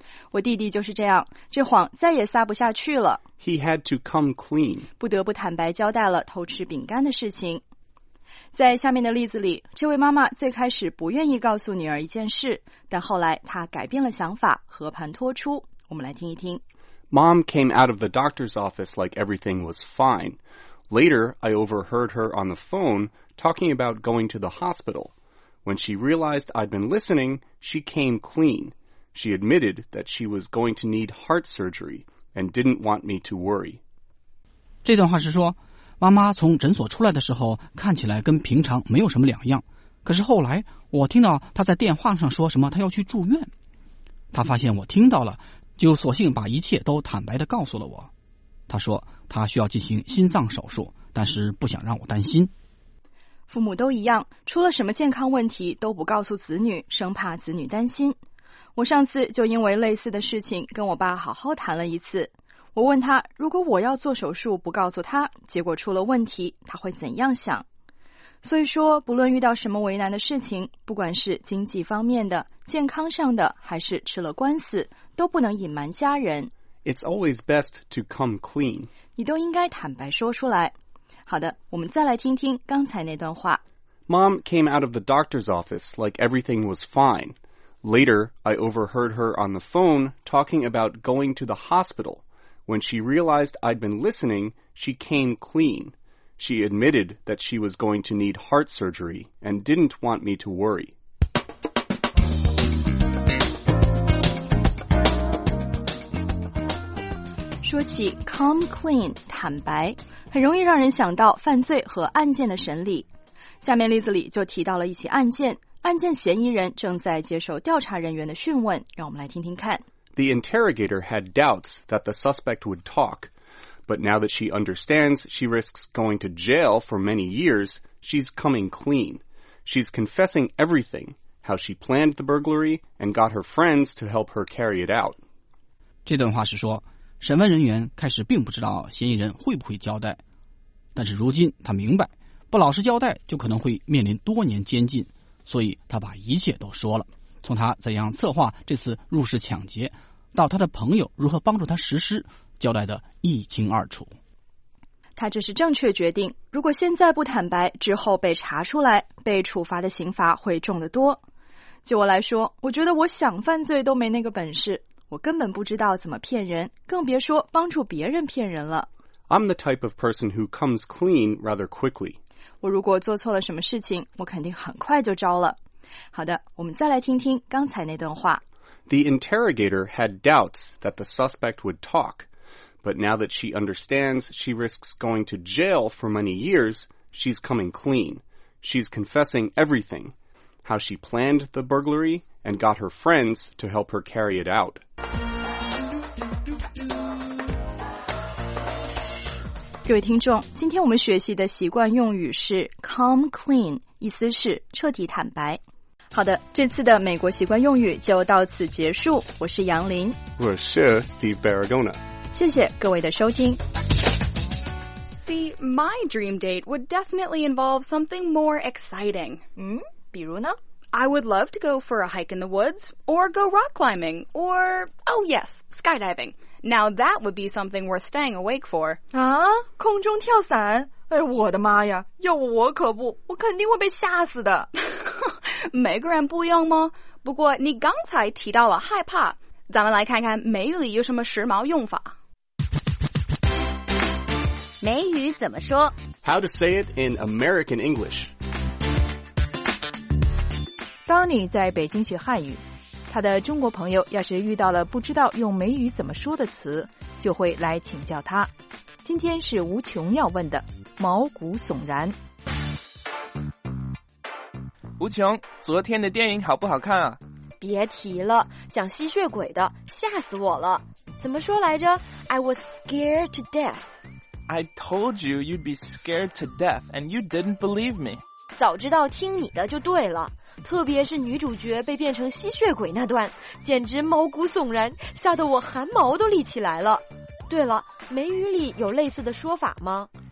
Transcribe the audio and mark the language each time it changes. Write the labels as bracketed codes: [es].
[zh] 我弟弟就是这样，这谎再也撒不下去了。 [en] He had to come clean. [zh] 不得不坦白交代了偷吃饼干的事情。在下面的例子里，这位妈妈最开始不愿意告诉女儿一件事，但后来她改变了想法，和盘托出。我们来听一听。 [en] Mom came out of the doctor's office like everything was fine. Later, I overheard her on the phone talking about going to the hospital. When she realized I'd been listening, she came clean. She admitted that she was going to need heart surgery and didn't want me to worry. [zh] 这段话是说，妈妈从诊所出来的时候看起来跟平常没有什么两样，可是后来我听到她在电话上说什么她要去住院，她发现我听到了，就索性把一切都坦白地告诉了我。她说她需要进行心脏手术，但是不想让我担心。父母都一样，出了什么健康问题都不告诉子女，生怕子女担心。我上次就因为类似的事情跟我爸好好谈了一次。我问他，如果我要做手术不告诉他，结果出了问题，他会怎样想？所以说，不论遇到什么为难的事情，不管是经济方面的、健康上的，还是吃了官司，都不能隐瞒家人。 [en] It's always best to come clean. [zh] 你都应该坦白说出来。好的，我们再来听听刚才那段话。 [en] Mom came out of the doctor's office like everything was fine. Later, I overheard her on the phone talking about going to the hospital. When she realized I'd been listening, she came clean. She admitted that she was going to need heart surgery and didn't want me to worry. [zh] 说起 come clean, 坦白，很容易让人想到犯罪和案件的审理。下面例子里就提到了一起案件，案件嫌疑人正在接受调查人员的讯问，让我们来听听看。 [en] The interrogator had doubts that the suspect would talk, but now that she understands she risks going to jail for many years, she's coming clean. She's confessing everything, how she planned the burglary and got her friends to help her carry it out. [zh] 这段话是说，审问人员开始并不知道嫌疑人会不会交代，但是如今他明白不老实交代就可能会面临多年监禁，所以他把一切都说了，从他怎样策划这次入室抢劫到他的朋友如何帮助他实施，交代得一清二楚。他这是正确决定，如果现在不坦白，之后被查出来，被处罚的刑罚会重得多。就我来说，我觉得我想犯罪都没那个本事，我根本不知道怎么骗人，更别说帮助别人骗人了。 [en] I'm the type of person who comes clean rather quickly. [zh] 我如果做错了什么事情，我肯定很快就招了。好的，我们再来听听刚才那段话。 [en] The interrogator had doubts that the suspect would talk, but now that she understands she risks going to jail for many years, she's coming clean. She's confessing everything, how she planned the burglary and got her friends to help her carry it out. [zh] 各位听众，今天我们学习的习惯用语是 come clean， 意思是彻底坦白。好的，这次的美国习惯用语就到此结束。我是杨林，我是 Steve Barragona。谢谢各位的收听。 [en] See, my dream date would definitely involve something more exciting. [zh] 比如呢？ [en] I would love to go for a hike in the woods, or go rock climbing, or, oh yes, skydiving. Now that would be something worth staying awake for. [zh] 啊，空中跳伞？哎，我的妈呀，要我可不，我肯定会被吓死的。每个人不一样吗？不过你刚才提到了害怕，咱们来看看美语里有什么时髦用法。美语怎么说？ [en] How to say it in American English. [zh] Donnie 在北京学汉语，他的中国朋友要是遇到了不知道用美语怎么说的词，就会来请教他。今天是吴琼要问的，毛骨悚然。吴琼，昨天的电影好不好看啊？别提了，讲吸血鬼的，吓死我了。怎么说来着？ [en] I was scared to death. I told you you'd be scared to death and you didn't believe me. [zh] 早知道听你的就对了。特别是女主角被变成吸血鬼那段，简直毛骨悚然，吓得我汗毛都立起来了。对了，美语里有类似的说法吗？